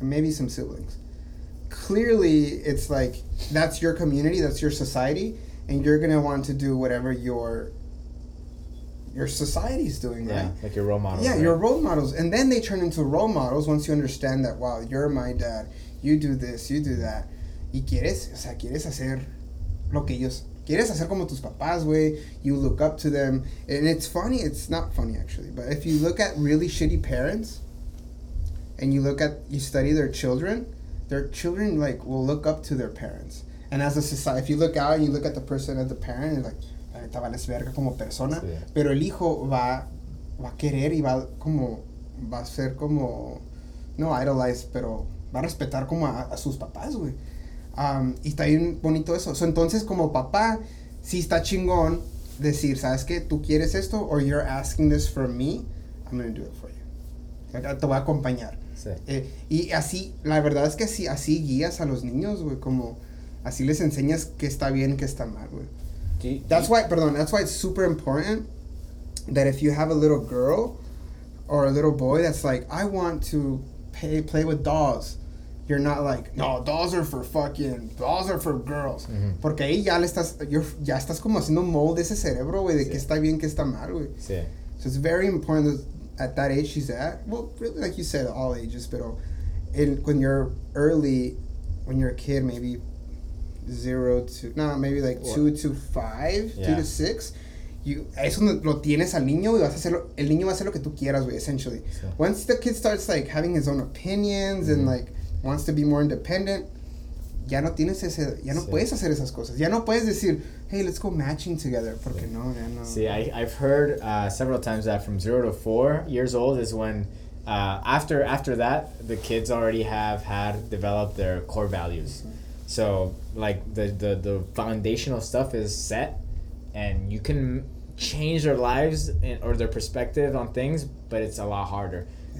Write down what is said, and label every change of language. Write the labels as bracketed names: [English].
[English] And maybe some siblings. Clearly, it's like... That's your community, that's your society. And you're gonna want to do whatever your society is doing, yeah, right? Like your role models. Yeah, right? Your role models. And then they turn into role models once you understand that, wow, you're my dad. You do this, you do that. [Spanish] Y quieres, o sea, quieres hacer lo que ellos... Quieres hacer como tus papás, güey. [English] You look up to them. And it's funny. It's not funny, actually. But if you look at really shitty parents and you study their children, like, will look up to their parents. And as a society, if you look out and you look at the person as the parent, you're like... [Spanish] Vales verga como persona, sí. Pero el hijo va a querer y va a ser como no idolized, pero va a respetar como a sus papás, güey. Y está bien bonito eso. So, entonces, como papá, sí está chingón decir, ¿sabes qué? ¿Tú quieres esto? [English] Or you're asking this from me, I'm going to do it for you. [Spanish] Te voy a acompañar. Sí. Y así, la verdad es que así, así guías a los niños, güey, como así les enseñas qué está bien, qué está mal, güey. [English] That's why it's super important that if you have a little girl or a little boy that's like, I want to play with dolls, you're not like, no, dolls are for girls. Mm-hmm. [Spanish] Porque ahí ya le estás, ya estás como haciendo mold de ese cerebro, güey, de sí. Qué está bien, qué está mal, güey. Sí. [English] So it's very important that at that age she's at, well, really, like you said, all ages, pero in, when you're early, when you're a kid, maybe 2 to 5, 2 to 6, you, [Spanish] eso lo tienes al niño y vas a hacer lo, el niño va a hacer lo que tú quieras, güey, [English] essentially. [Spanish] Sí. [English] Once the kid starts, like, having his own opinions, mm-hmm. and, like, wants to be more independent, [Spanish] ya no tienes ese, ya no sí. puedes hacer esas cosas. Ya no puedes decir, [English] hey, let's go matching together, [Spanish] porque sí. no, ya no. [English] See, I've heard several times that from 0 to 4 years old is when, after that, the kids already have had developed their core values. Mm-hmm. So, like, the foundational stuff is set, and you can change their lives and, or their perspective on things, but it's a lot harder. Yeah.